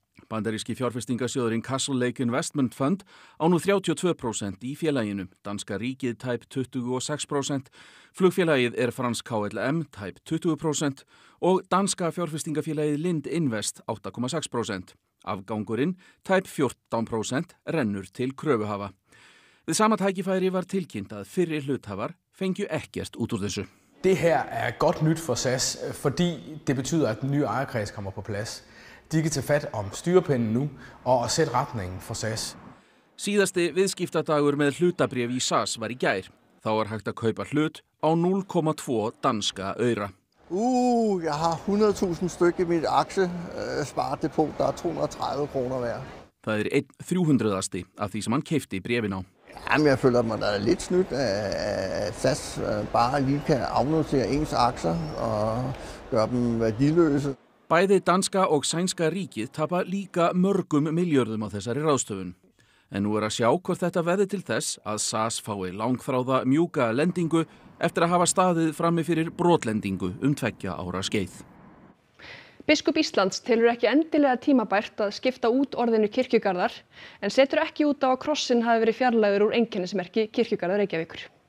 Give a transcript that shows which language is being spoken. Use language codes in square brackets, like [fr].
[is] Bandaríski fjárfestingasjóðurinn Castle Lake Investment Fund á nú 32% í félaginu, danska ríkið tæp 26%, flugfélagið er Frans KLM tæp 20% og danska fjárfestingafélagið Lind Invest 8,6%. Afgangurinn tæp 14% rennur til kröfuhafa. Við sama tækifæri var tilkynnt að fyrri hluthafar fengju ekkert út úr þessu. [da] Det her er godt nyt for SAS, fordi det betyder at den nye ejerkreds kommer på plads. De kan tage fat om styrepinden nu og sætte retningen for SAS. [is] Síðasti viðskiptadagur med hlutabréf i SAS var i gær. Þá var hægt að kaupa hlut á 0,2 danska øyra. [da] Jeg har 100.000 stykker i mit aktiesparedepot, der er 230 kroner værd. [is] Það er 1/300 af því sem hann keypti bréfin á. [da] Jamen, jeg føler mig, der er lidt snydt, at SAS bare lige kan afnotere ens aktier og gøre dem værdiløse. [is] Bæði danska og sænska ríkið tapa líka mörgum miljörðum á þessari ráðstöfun. En nú að sjá hvort þetta verði til þess að SAS fái langþráða mjúka lendingu eftir að hafa staðið frammi fyrir brotlendingu 2 ára skeið. Biskup Íslands telur ekki endilega tímabært að skipta út orðinu kirkjugarðar en setur ekki út á að krossin hafi verið fjarlægður úr einkennismerki kirkjugarðar Reykjavíkur.